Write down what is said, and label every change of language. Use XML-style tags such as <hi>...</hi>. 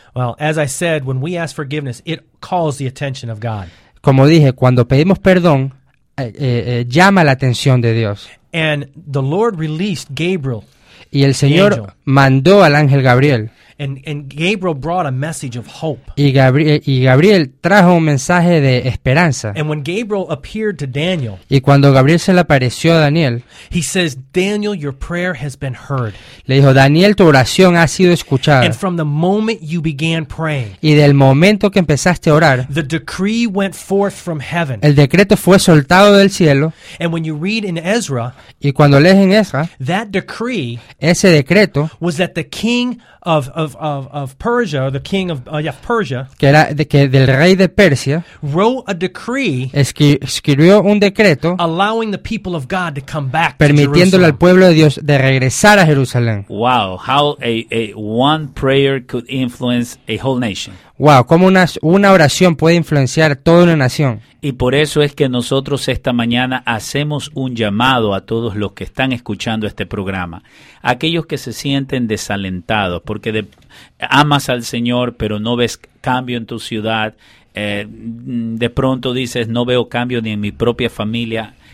<en>Well, as I said, when we ask forgiveness, it calls the attention of God.</en> <es>Como dije, cuando pedimos perdón, llama la atención de Dios.</es> <en>And the Lord released Gabriel.</en> <es>Y el Señor mandó al ángel Gabriel.</es> <en>And Gabriel brought a message of hope.</en> <es>Y Gabriel trajo un mensaje de esperanza.</es> <en>And when Gabriel appeared to Daniel,</en> <es>y cuando Gabriel se le apareció a Daniel,</es> <en>he says, "Daniel, your prayer has been heard."</en> <es>Le dijo, Daniel, tu oración ha sido escuchada.</es> <en>And from the moment you began praying,</en> <es>y del momento que empezaste a orar,</es> <en>the decree went forth from heaven.</en> <es>El decreto fue soltado del cielo.</es> <en>And when you read in Ezra,</en> <es>y cuando lees en Ezra,</es> <en>that decree,</en> <es>ese decreto,</es> <en>was that the king of Persia, or the king of Persia,</en> <es>que era de, que del rey de Persia,</es> <en>wrote a decree,</en> <es>escribió un decreto,</es> <en>allowing the people of God to come back,</en> <es>permitiéndole al pueblo de Dios de regresar a Jerusalén.</es> <en>Wow, how a one prayer could influence a whole nation.</en> <es>Wow, cómo una oración puede influenciar toda una nación. Y por eso es que nosotros esta mañana hacemos un llamado a todos los que están escuchando este programa, aquellos que se sienten desalentados porque amas al Señor pero no ves cambio en tu ciudad, de pronto dices no veo cambio ni en mi propia familia.</es>